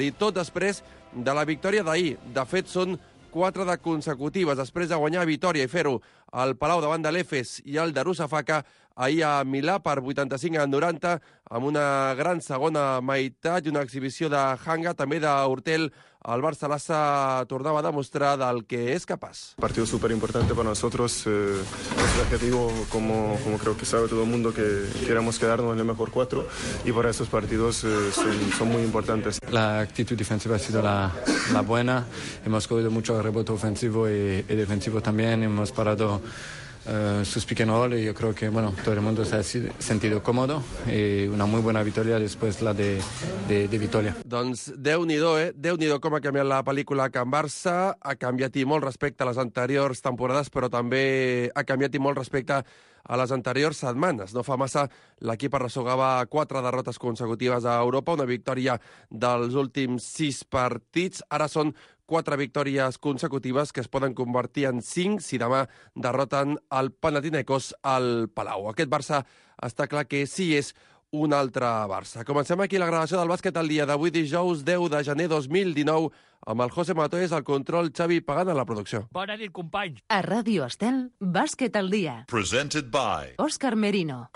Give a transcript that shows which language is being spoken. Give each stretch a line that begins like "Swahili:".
Catalan: I tot després de la victòria d'ahir. De fet, són 4 de consecutives, després de guanyar a Vitòria i fer-ho al Palau davant de l'Efes i el de Rusafaka, ahir a Milà per 85-90, amb una gran segona meitat i una exhibició de Hanga, també d'Hurtel. El Barça Lassa tornava a demostrar del que és capaç.
Spanish: Partido súper importante para nosotros. Es el objetivo, como creo que sabe todo el mundo, que queremos quedarnos en el mejor 4, y para estos partidos son muy importantes. La actitud defensiva ha sido la buena. Hemos cogido mucho rebote ofensivo y defensivo también. Hemos parado sus pick and roll, y yo creo que bueno, todo el mundo se ha sentido cómodo, y una muy buena victoria después la de Vitoria.
Catalan: Doncs déu-n'hi-do, eh? Déu-n'hi-do com ha canviat la pel·lícula a Can Barça. Ha canviat-hi molt respecte a les anteriors temporades, però també ha canviat-hi molt respecte a les anteriors setmanes. No fa massa, l'equip arrossegava 4 derrotes consecutives a Europa, una victòria dels últims 6 partits. Ara són 4 victòries consecutives que es poden convertir en 5 si demà derroten el Panathinaikos al Palau. Aquest Barça està clar que sí és un altre Barça. Comencem aquí la gravació del Bàsquet al dia d'avui, dijous 10 de gener 2019, amb el José Matoes al control, Xavi Pagant a la producció. Bona nit, companys. A Ràdio Estel, Bàsquet al dia.
English: Presented by Òscar Merino.